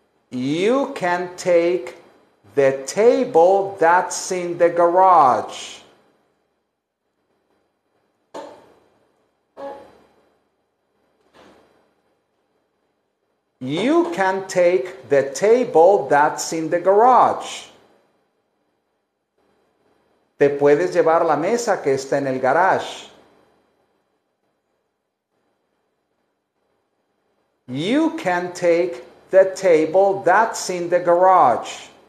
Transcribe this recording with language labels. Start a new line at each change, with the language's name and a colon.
English: You can take the table that's in the garage. You can take the table that's in the garage.
Spanish: Te puedes llevar la mesa que está en el garage.
English: You can take the table that's in the garage.